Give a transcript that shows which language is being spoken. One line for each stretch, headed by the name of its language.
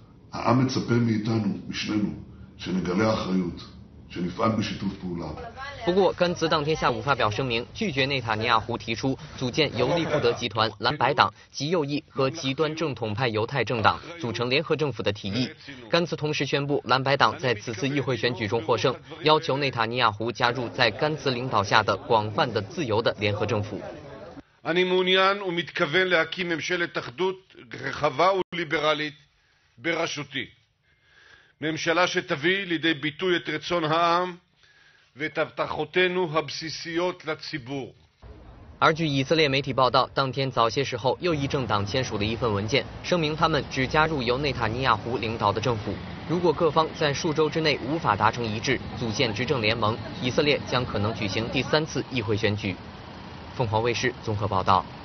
Hebrew: העם מצפה מאיתנו, משנינו, שנגלה אחריות, שנפעל בשיתוף פעולה.
Chinese: 不过甘茨当天下午发表声明，拒绝内塔尼亚胡提出组建由利库德集团、蓝白党、极右翼和极端正统派犹太政党组成联合政府的提议。甘茨同时宣布蓝白党在此次议会选举中获胜，要求内塔尼亚胡加入在甘茨领导下的广泛的自由的联合政府。
Hebrew: אני מעוניין ומתכוון להקים ממשלת אחדות רחבה וליברלית. בראשותי, ממשלה שתביא לידי ביטוי את רצון העם ואת הבטחותינו הבסיסיות לציבור.
Chinese: 而据以色列媒体报道，当天早些时候，右翼政党签署了一份文件，声明他们只加入由内塔尼亚胡领导的政府。如果各方在数周之内无法达成一致，组建执政联盟，以色列将可能举行第三次议会选举。凤凰卫视综合报道。